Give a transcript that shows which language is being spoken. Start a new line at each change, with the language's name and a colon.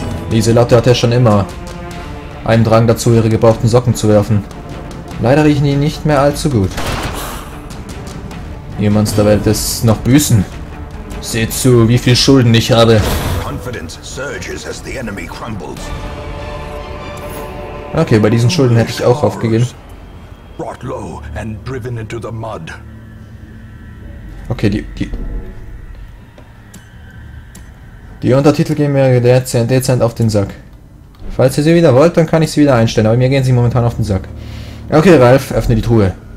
German: Lieselotte hat ja schon immer einen Drang dazu, ihre gebrauchten Socken zu werfen. Leider riechen die nicht mehr allzu gut. Ihr Monster werdet es noch büßen. Seht zu, wie viel Schulden ich habe.
English: Confidence surges as the enemy crumbles.
German: Okay, bei diesen Schulden hätte ich auch aufgegeben.
English: Brought low and driven into the mud.
German: Okay, die Untertitel gehen mir dezent auf den Sack. Falls ihr sie wieder wollt, dann kann ich sie wieder einstellen, aber mir gehen sie momentan auf den Sack. Okay, Ralf, öffne die Truhe.